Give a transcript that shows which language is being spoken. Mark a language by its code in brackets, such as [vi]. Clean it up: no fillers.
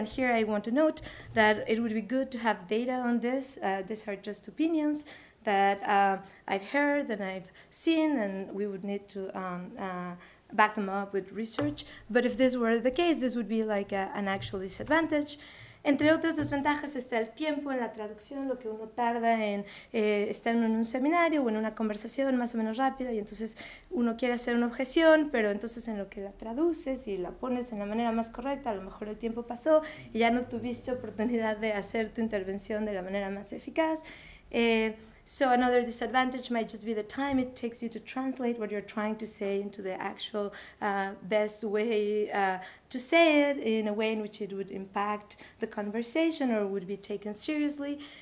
[en] And here I want to note that it would be good to have data on this. These are just opinions that I've heard and I've seen, and we would need to back them up with research. But if this were the case, this would be like an actual disadvantage. [es] Entre otras desventajas está el tiempo en la traducción, lo que uno tarda en estar en un seminario o en una conversación más o menos rápida, y entonces uno quiere hacer una objeción, pero entonces en lo que la traduces y la pones en la manera más correcta, a lo mejor el tiempo pasó y ya no tuviste oportunidad de hacer tu intervención de la manera más eficaz. [en] So another disadvantage might just be the time it takes you to translate what you're trying to say into the actual best way to say it in a way in which it would impact the conversation or would be taken seriously.